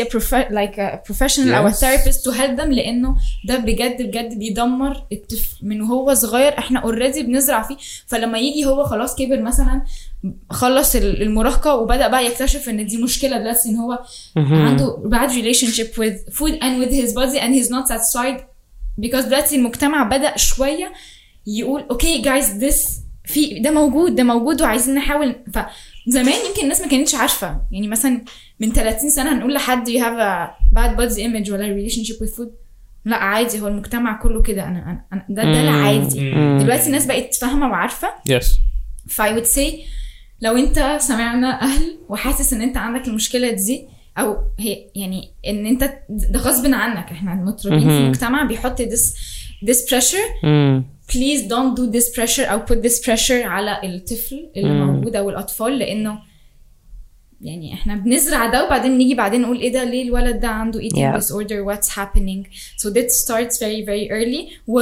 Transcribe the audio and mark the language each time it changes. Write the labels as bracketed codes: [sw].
[en] a professional yes. or a therapist to help them, [ar] لانه ده بجد بجد بيدمر الطفل من وهو صغير. احنا اوريدي بنزرع فيه, فلما يجي هو خلاص كبر مثلا خلص المراهقة وبدأ بقى يكتشف ان دي مشكلة دلوقتي, ان هو عنده [en] bad relationship with food and with his body [ar] and [en] he's not satisfied because [ar] دلوقتي المجتمع بدأ شوية يقول [en] okay guys this [ar] في ده موجود وعايزين نحاول. فزمان يمكن الناس ما كانتش عارفة, يعني مثلا من 30 سنة هنقول لحد [en] you have a bad body image [ar] ولا [en] relationship with food, [ar] لا عادي هو المجتمع كله كده, أنا ده العادي. دلوقتي الناس بقت فاهمة وعارفة. [en] yes. [ar] فا [en] I would say [ar] لو انت سمعنا اهل وحاسس ان انت عندك المشكلة دي او هي يعني ان انت ده غصب عنك, احنا المطربين في المجتمع بيحط [en] this pressure. Please don't do this pressure [ar] او [en] put this pressure [ar] على الطفل اللي موجود او الاطفال, لانه يعني احنا بنزرع ده وبعدين نيجي بعدين نقول ايه ده, ليه الولد ده عنده [en] eating disorder, what's happening. So that starts very very early.